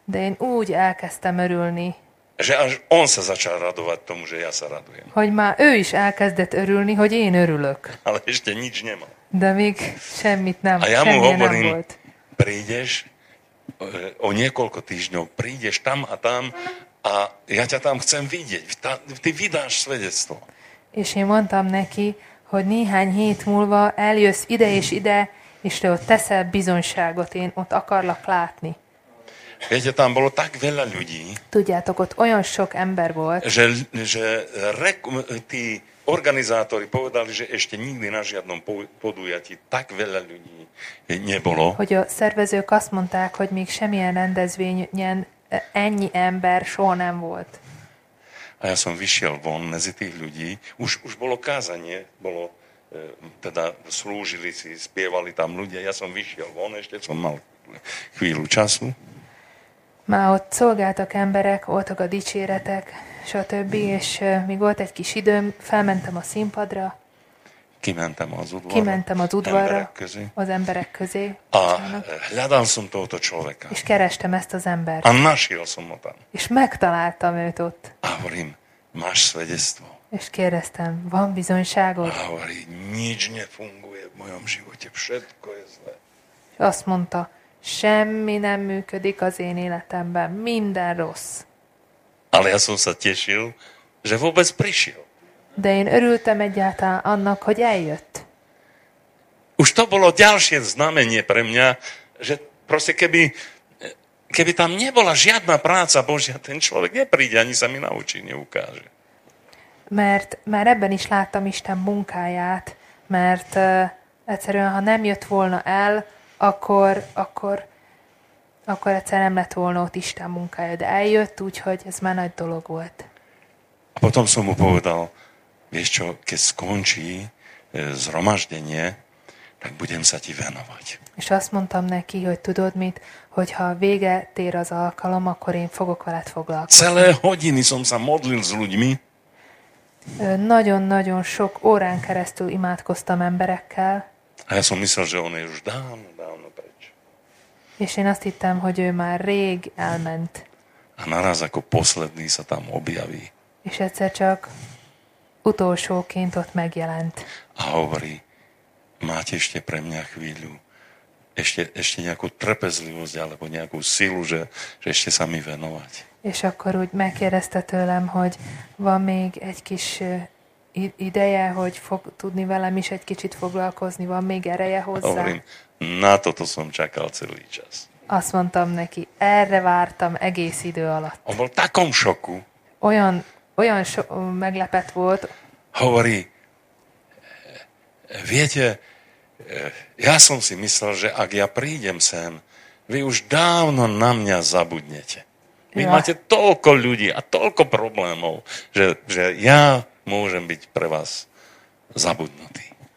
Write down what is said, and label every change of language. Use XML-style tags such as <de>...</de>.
<hu>De én úgy elkezdtem örülni.</hu> <sk>Že až on sa začal radovať tomu, že ja sa radujem.</sk> <hu>Hogy már ő is elkezdett örülni, hogy én örülök.</hu> <sk>Ale ešte nič nemal.</sk> <hu>De még semmit nem,</hu> <sk>a ja mu hovorím, prídeš o niekoľko týždňov, prídeš tam a tam a ja ťa tam chcem vidieť. Ty vydáš svedectvo.</sk> <hu>És én mondtam neki, hogy néhány hét múlva eljössz ide és ide, és te ott teszel bizonyságot, én ott akarlak látni.</hu> <sk>Viete, tam bolo tak veľa ľudí.</sk> <hu>Tudjátok, ott olyan sok ember volt.</hu> <sk>Tí organizátori povedali, že ešte nikdy na žiadnom podujatí tak veľa ľudí nebolo.</sk> <hu>Hogy a szervezők azt mondták, hogy még semmilyen rendezvényen ennyi ember soha nem volt.</hu> <sk>A ja som vyšiel von medzi tých ľudí. Už bolo kázanie, bolo, teda slúžili si, spievali tam ľudia. Ja som vyšiel von, ešte som mal chvíľu času.</sk> <hu>Má ott szolgáltak emberek, voltak a dicséretek, stb. És még volt egy kis időm, felmentem a színpadra. Kimentem az udvarra, az emberek közé.</hu> <sk>A hľadal som tohoto človeka.</sk> <hu>És kerestem ezt az embert.</hu> <sk>A našiel som ho tam.</sk> <hu>És megtaláltam őt ott.</hu> <sk>A hovorím, máš svedectvo?</sk> <hu>És kérdeztem, van bizonyságod?</hu> <sk>A hovorí, nič nefunguje v mojom živote, všetko je zle.</sk> <hu>És azt mondta, semmi nem működik az én életemben, minden rossz.</hu> <sk>Ale ja som sa tešil, že vôbec prišiel.</sk> <hu>De én örültem egyáltalán annak, hogy eljött.</hu> <sk>Už to bolo ďalšie znamenie pre mňa, že proste keby tam nebola žiadna práca Božia, ten človek nepríde, ani sa mi naučí, neukáže.</sk> <hu>Mert már ebben is láttam Isten munkáját, mert egyszerűen, ha nem jött volna el, akkor egyszer nem lett volna ott Isten munkája, de eljött, úgyhogy ez már nagy dolog volt.</hu> <sk>A potom som mu povedal, vieš čo, keď skončí zhromaždenie, tak budem sa ti venovať.</sk> <hu>És azt mondtam neki, hogy tudod mit, hogyha vége tér az alkalom, akkor én fogok veled foglalkozni.</hu> <sk>Celé hodiny som sa modlil s ľuďmi.</sk> <hu>Nagyon-nagyon sok órán keresztül imádkoztam emberekkel.</hu> <sk>A ja som myslel, že on je už dávno, dávno preč.</sk> <hu>És én azt hittem, hogy ő már rég elment.</hu> <sk>A naraz ako posledný sa tam objaví.</sk> <hu>És egyszer csak utolsóként ott megjelent.</hu> <sk>A hovorí, máte ešte pre mňa chvíľu, ešte nejakú trpezlivosť, alebo nejakú silu, že ešte sa mi venovať.</sk> <hu>És akkor úgy megkérdezte tőlem, hogy van még egy kis ideje, hogy fog tudni velem is egy kicsit foglalkozni, van még ereje hozzá.</hu> <sk>Hovorím, na toto som čakal celý čas.</sk> <hu>Azt mondtam neki, erre vártam egész idő alatt.</hu> <sk>On bol takom šoku.</sk> <hu>Olyan meglepet volt.</hu> <sk>Hovorí, viete, ja som si myslel, že ak ja prídem sem, vy už dávno na mňa zabudnete. Vy máte toľko ľudí a toľko problémov, že ja môžem byť pre vás zabudnutý.</sk>